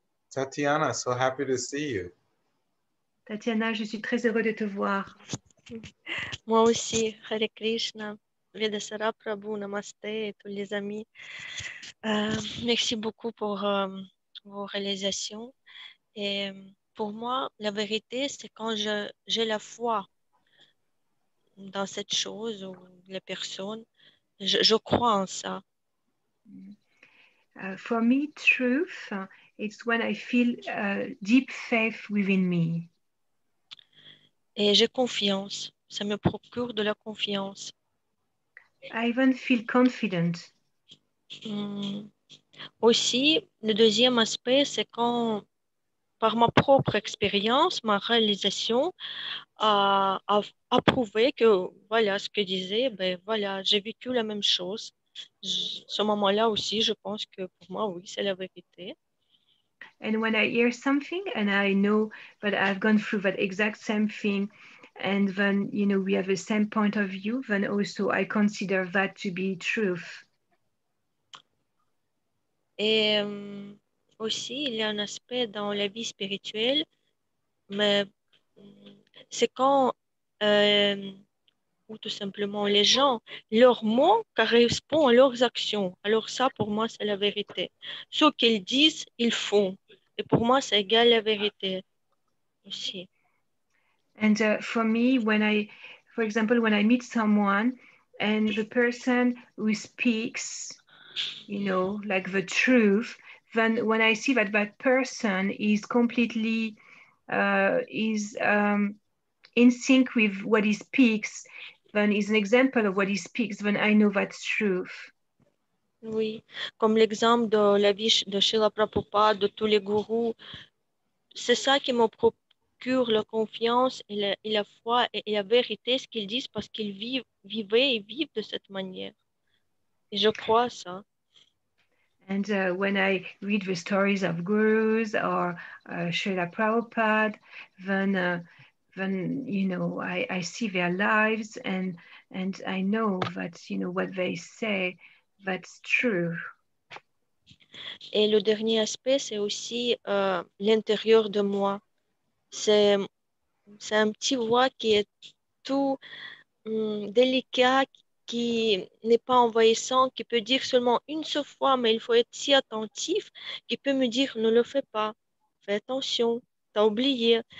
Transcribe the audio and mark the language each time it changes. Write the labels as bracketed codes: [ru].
[en] Tatiana, so happy to see you. [fr] Tatiana, je suis très heureux de te voir. Moi aussi, Hare Krishna, Veda Sara Prabhu, Namaste et tous les amis. Merci beaucoup pour vos réalisations. Et pour moi, la vérité, c'est quand j'ai la foi dans cette chose ou la personne, je crois en ça. [en] For me, truth, it's when I feel deep faith within me. [fr] Et j'ai confiance. Ça me procure de la confiance. [en] I even feel confident. [fr] Aussi, le deuxième aspect, c'est quand, par ma propre expérience, ma réalisation a prouvé que, voilà ce que disait, ben voilà, j'ai vécu la même chose. Ce moment-là aussi, je pense que pour moi, oui, c'est la vérité. [en] And when I hear something and I know that I've gone through that exact same thing and then, you know, we have the same point of view, then also I consider that to be truth. [fr] Et aussi, il y a un aspect dans la vie spirituelle, mais c'est quand, ou tout simplement les gens, leurs mots correspondent à leurs actions. Alors ça, pour moi, c'est la vérité. Ce qu'ils disent, ils font. Et pour moi, c'est égal à la vérité aussi. [en] And for me, when I, for example, when I meet someone and the person who speaks, you know, like the truth, when I see that that person is completely in sync with what he speaks, then is an example of what he speaks, then I know that's truth. [fr] Oui, comme l'exemple de la vie de Srila Prabhupada, de tous les gourous, c'est ça qui me procure la confiance et la foi et la vérité, ce qu'ils disent, parce qu'ils vivaient et vivent de cette manière. Et je crois ça. [en] And when I read the stories of gurus or Srila Prabhupada, then you know, I see their lives and I know that, you know, what they say, that's true. [fr] Et le dernier aspect, c'est aussi l'intérieur de moi. C'est un petit voix qui est tout délicat, qui n'est pas envahissant, qui peut dire seulement une seule fois, mais il faut être si attentif, qui peut me dire, ne le fais pas, fais attention, t'as oublié.